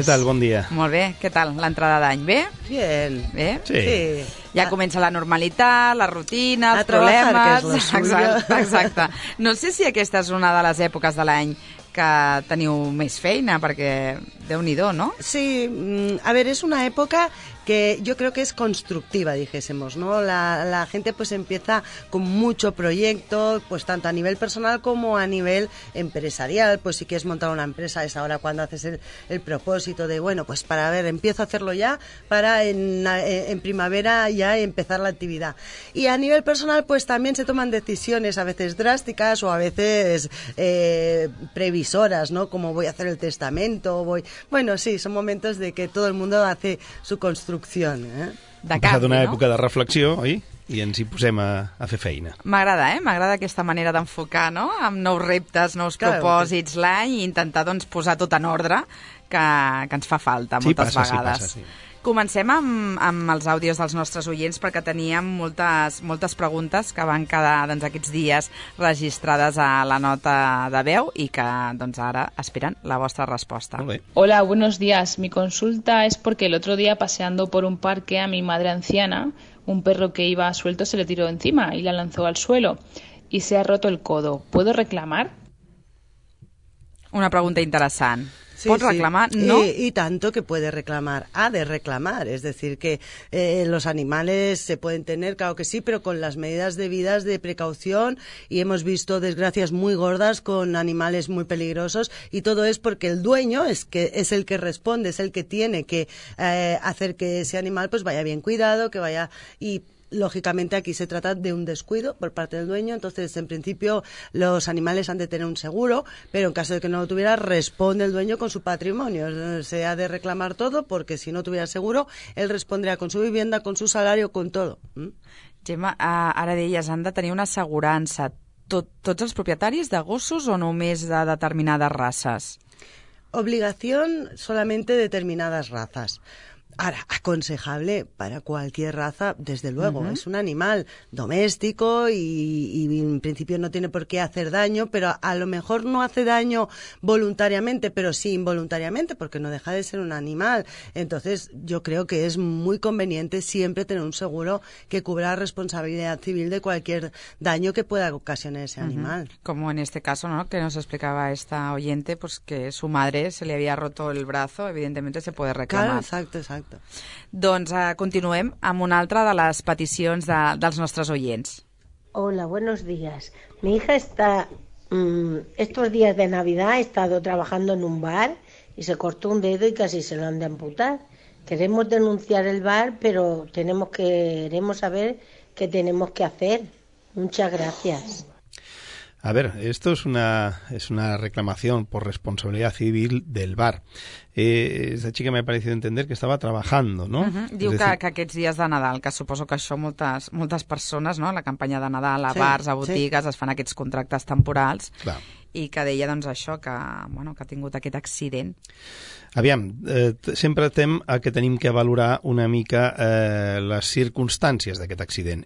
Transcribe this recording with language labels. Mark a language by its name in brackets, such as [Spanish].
[Catalan] Què tal, bon dia. Molt bé, què tal, l'entrada d'any, bé? [Spanish] Bien. [Catalan] Bé? Sí. Ja comença la normalitat, la rutina, els problemes. Exacte. No sé si aquesta és una de les èpoques de l'any que teniu més feina, perquè déu-n'hi-do, no? [Spanish] Sí, a ver, es una época que yo creo que es constructiva, dijésemos, ¿no? La gente pues empieza con mucho proyecto, pues tanto a nivel personal como a nivel empresarial. Pues si quieres montar una empresa, es ahora cuando haces el propósito de, bueno, pues para ver, empiezo a hacerlo ya para en primavera ya empezar la actividad. Y a nivel personal pues también se toman decisiones a veces drásticas o a veces previsoras, ¿no? Como voy a hacer el testamento, bueno, sí, son momentos de que todo el mundo hace su construcción, [Catalan] De cap, passat una no? època de reflexió, oi? I ens hi posem a fer feina. M'agrada, eh? M'agrada aquesta manera d'enfocar, no? Amb nous reptes, nous propòsits l'any, i intentar, doncs, posar tot en ordre, que ens fa falta moltes vegades. Sí, passa, sí. Comencem amb els àudios dels nostres oients, perquè teníem moltes preguntes que van quedar, doncs, aquests dies registrades a la nota de veu i que, doncs, ara esperen la vostra resposta. [Spanish] Hola, buenos días. Mi consulta es porque el otro día, paseando por un parque, a mi madre anciana, un perro que iba suelto se le tiró encima y la lanzó al suelo y se ha roto el codo. ¿Puedo reclamar? Una pregunta interesante. Sí, [Catalan] pot reclamar, sí. No? [Spanish] Y tanto que puede reclamar, ha de reclamar, es decir, que los animales se pueden tener, claro que sí, pero con las medidas debidas de precaución, y hemos visto desgracias muy gordas con animales muy peligrosos, y todo es porque el dueño es el que responde, es el que tiene que hacer que ese animal pues vaya bien cuidado, que vaya... Y lógicamente aquí se trata de un descuido por parte del dueño, entonces en principio los animales han de tener un seguro, pero en caso de que no lo tuviera, responde el dueño con su patrimonio. Se ha de reclamar todo, porque si no tuviera seguro, él respondría con su vivienda, con su salario, con todo. [Catalan] Gemma, ara deies, han de tenir una assegurança. Tots els propietaris de gossos o només de determinades races? [Spanish] Obligación solamente determinadas razas. Ahora, aconsejable para cualquier raza, desde luego. Uh-huh. Es un animal doméstico y en principio no tiene por qué hacer daño, pero a lo mejor no hace daño voluntariamente, pero sí involuntariamente, porque no deja de ser un animal. Entonces, yo creo que es muy conveniente siempre tener un seguro que cubra la responsabilidad civil de cualquier daño que pueda ocasionar ese animal. Uh-huh. Como en este caso, ¿no?, que nos explicaba esta oyente, pues que su madre se le había roto el brazo, evidentemente se puede reclamar. Claro, exacto, exacto. [Catalan] Exacte. Doncs continuem amb una altra de les peticions dels nostres oients. [Spanish] Hola, buenos días. Mi hija está estos días de Navidad ha estado trabajando en un bar y se cortó un dedo y casi se lo han de amputar. Queremos denunciar el bar, pero queremos saber qué tenemos que hacer. Muchas gracias. A ver, esto es una reclamación por responsabilidad civil del bar. Esa chica me ha parecido entender que estaba trabajando, ¿no? Uh-huh. [Catalan] Diu que aquests dies de Nadal, que suposo que això moltes persones, ¿no?, la campanya de Nadal, a sí, bars, a botigues, sí, es fan aquests contractes temporals. Clar. I que deia, doncs, això, que, bueno, que ha tingut aquest accident. Aviam, sempre tem a que tenim que valorar una mica les circumstàncies d'aquest accident.